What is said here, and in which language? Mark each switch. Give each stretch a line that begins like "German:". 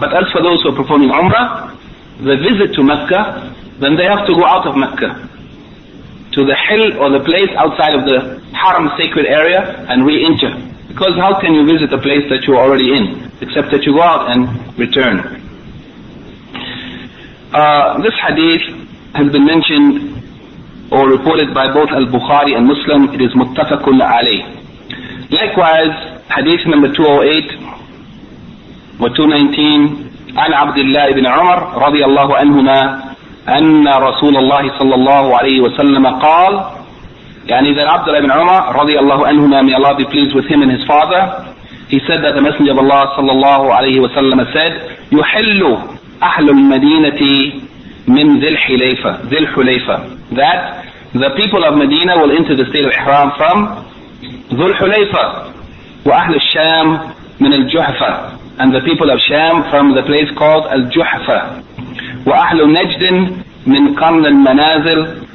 English: But as for those who are performing Umrah, the visit to Mecca, then they have to go out of Mecca to the hill, or the place outside of the haram sacred area, and re-enter. Because how can you visit a place that you're already in, except that you go out and return? This hadith has been mentioned or reported by both Al-Bukhari and Muslim. It is muttafaqun alayh. Likewise, hadith number 208 or 219,
Arabic: عن عبد الله بن عمر رضي الله عنهما أن رسول الله صلى الله عليه وسلم قال.
English: يعني that Abdullah ibn Umar
Arabic: رضي الله عنهما,
English: may Allah be pleased with him and his father, he said that the Messenger of Allah
Arabic: صلى الله عليه وسلم
English: said,
Arabic: يحل أهل المدينة من ذي الحليفة,
English: ذي الحليفة, that the people of Medina will enter the state of Ihram from ذو الحليفة,
Arabic: وأهل الشام من الجحفة,
English: and the people of Sham from the place called الجحفة,
Arabic: وأهل نجد من قرن المنازل.